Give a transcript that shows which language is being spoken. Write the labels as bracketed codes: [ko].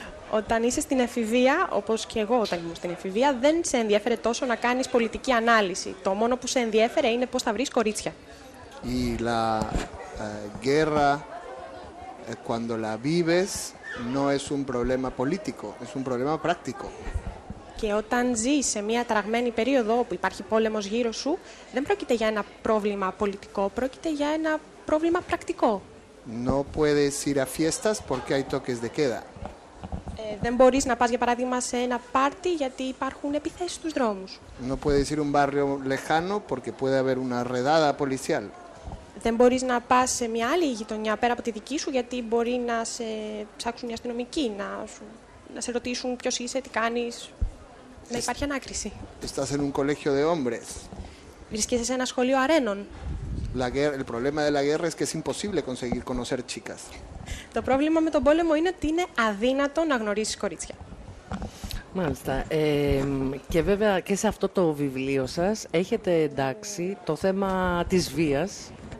[el] Όταν είσαι στην εφηβεία, όπως και εγώ όταν ήμουν στην εφηβεία, δεν σε ενδιέφερε τόσο να κάνεις πολιτική ανάλυση. Το μόνο που σε ενδιέφερε είναι πώς θα βρεις κορίτσια. [es] Y la guerra, cuando la vives, no es un problema político, es un problema práctico. [el] Και όταν ζεις σε μια τραγμένη περίοδο όπου υπάρχει πόλεμος γύρω σου, δεν πρόκειται για ένα πρόβλημα πολιτικό, πρόκειται για ένα πρόβλημα πρακτικό. [es] No puedes ir a fiestas porque hay toques de queda. [el] Δεν μπορείς να πας, για παράδειγμα, σε ένα πάρτι γιατί υπάρχουν επιθέσεις στους δρόμους. [es] No puedes ir a un barrio lejano porque puede haber una redada policial. [el] Δεν μπορείς να πας σε μια άλλη γειτονιά πέρα από τη δική σου γιατί μπορεί να σε ψάξουν οι αστυνομικοί, να σε ρωτήσουν ποιος είσαι, τι κάνεις, να υπάρχει ανάκριση. [es] Estás en un colegio de hombres. [el] Βρίσκεσαι σε ένα σχολείο αρένων. [es] La guerra, el problema de la guerra es que es imposible conseguir conocer chicas. [el] Το πρόβλημα με τον πόλεμο είναι ότι είναι αδύνατο να γνωρίσεις κορίτσια. Μάλιστα. Και βέβαια και σε αυτό το βιβλίο σας έχετε εντάξει το θέμα της βίας.